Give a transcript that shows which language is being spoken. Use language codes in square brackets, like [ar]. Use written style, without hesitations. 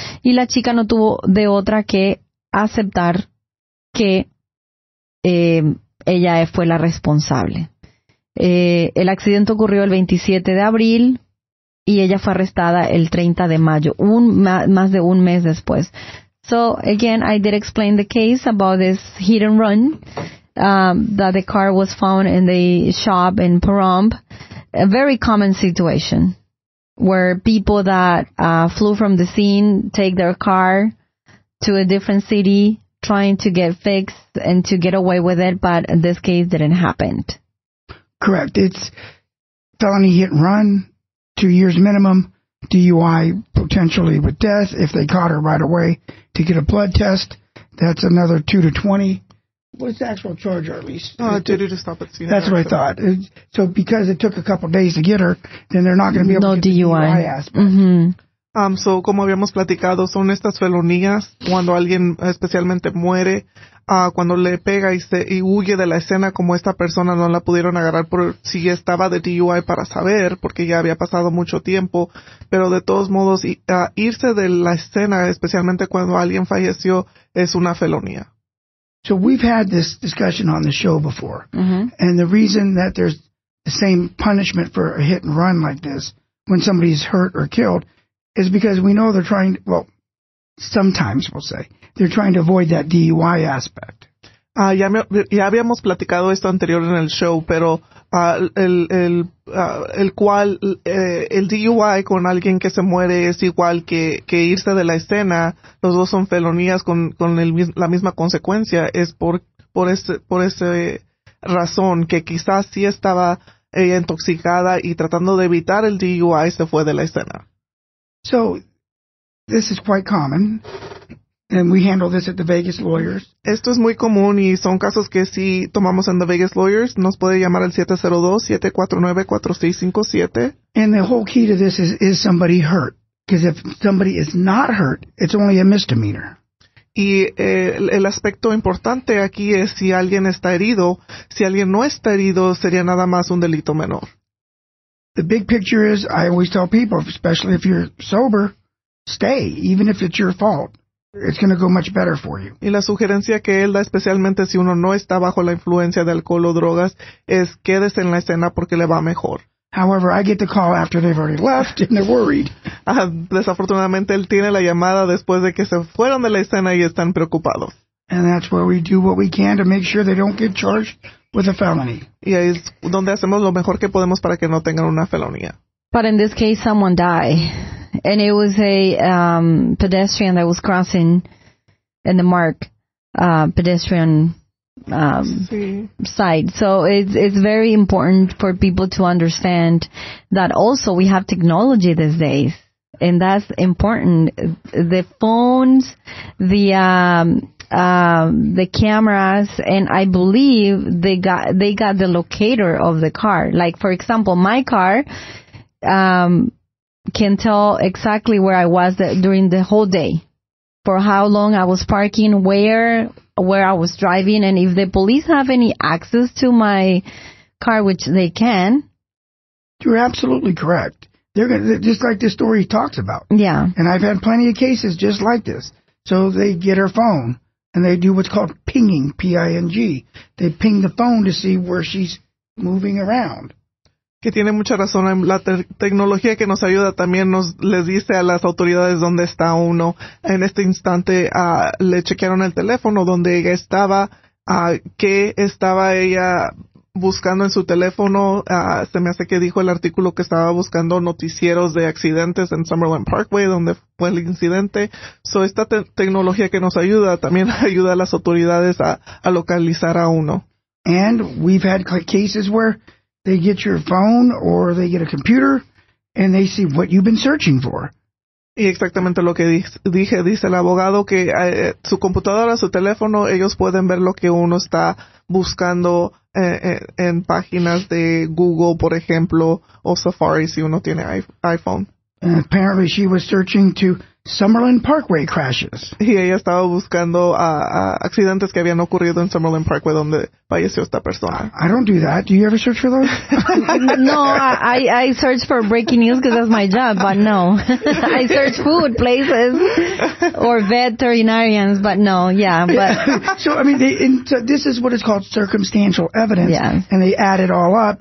[es] Y la chica no tuvo de otra que aceptar que ella fue la responsable. El accidente ocurrió el 27 de abril. Y ella fue arrestada el 30 de mayo, más de un mes después. [en] So, again, I did explain the case about this hit and run, that the car was found in the shop in Pahrump. A very common situation where people that flew from the scene take their car to a different city trying to get fixed and to get away with it, but this case didn't happen. Correct. It's felony hit and run. 2 years minimum, DUI potentially with death if they caught her right away to get a blood test. That's another 2 to 20. What's the actual charge, Arlise? To stop at the scene. That's what I thought. So because it took a couple of days to get her, then they're not going to be able to get The DUI aspect. Mm-hmm. [es] So como habíamos platicado, son estas felonías cuando alguien especialmente muere, cuando le pega y huye de la escena, como esta persona no la pudieron agarrar por si estaba de DUI para saber, porque ya había pasado mucho tiempo. Pero de todos modos, irse de la escena, especialmente cuando alguien falleció, es una felonía. [en] So we've had this discussion on the show before. Mm-hmm. And the reason that there's the same punishment for a hit and run like this when somebody's hurt or killed is because we know they're trying to, well, sometimes we'll say, they're trying to avoid that DUI aspect. [es] Ya habíamos platicado esto anterior en el show, pero el DUI con alguien que se muere es igual que irse de la escena. Los dos son felonías con la misma consecuencia. Es por esa razón que quizás sí estaba intoxicada y tratando de evitar el DUI se fue de la escena. [en] So, this is quite common. And we handle this at the Vegas lawyers. [es] Esto es muy común y son casos que si tomamos en the Vegas lawyers, nos puede llamar al 702-749-4657. [en] And the whole key to this is somebody hurt? Because if somebody is not hurt, it's only a misdemeanor. [es] Y el aspecto importante aquí es si alguien está herido. Si alguien no está herido, sería nada más un delito menor. [en] The big picture is, I always tell people, especially if you're sober, stay, even if it's your fault. It's going to go much better for you. [es] Y la sugerencia que él da, especialmente si uno no está bajo la influencia de alcohol o drogas, es quédese en la escena porque le va mejor. [en] However, I get the call after they've already left and they're worried. [es] Desafortunadamente, él tiene la llamada después de que se fueron de la escena y están preocupados. [en] And that's where we do what we can to make sure they don't get charged with a felony. [es] Y ahí es donde hacemos lo mejor que podemos para que no tengan una felonía. [en] But in this case, someone died. And it was a pedestrian that was crossing in the marked pedestrian side. So it's very important for people to understand that also we have technology these days. And that's important. The phones, the cameras, and I believe they got the locator of the car. Like, for example, my car... can tell exactly where I was during the whole day, for how long I was parking, where I was driving, and if the police have any access to my car, which they can. You're absolutely correct. They're gonna, just like this story talks about. Yeah. And I've had plenty of cases just like this. So they get her phone, and they do what's called pinging, P-I-N-G. They ping the phone to see where she's moving around. [es] Que tiene mucha razón. La tecnología que nos ayuda también les dice a las autoridades dónde está uno. En este instante le chequearon el teléfono donde ella estaba, qué estaba ella buscando en su teléfono. Se me hace que dijo el artículo que estaba buscando noticieros de accidentes en Summerlin Parkway, donde fue el incidente. So esta tecnología que nos ayuda también ayuda a las autoridades a localizar a uno. [en] And we've had cases where they get your phone or they get a computer and they see what you've been searching for. [es] Y exactamente lo que dice el abogado, que su computadora, su teléfono, ellos pueden ver lo que uno está buscando en páginas de Google, por ejemplo, o Safari si uno tiene iPhone. [en] And apparently she was searching to Summerlin Parkway crashes. [es] Y ella estaba buscando accidentes que habían ocurrido en Summerlin Parkway donde falleció esta persona. [en] I don't do that. Do you ever search for those? No, I search for breaking news because that's my job, but no. I search food places or veterinarians, but no, yeah. But so, I mean, so this is what is called circumstantial evidence. Yeah. And they add it all up.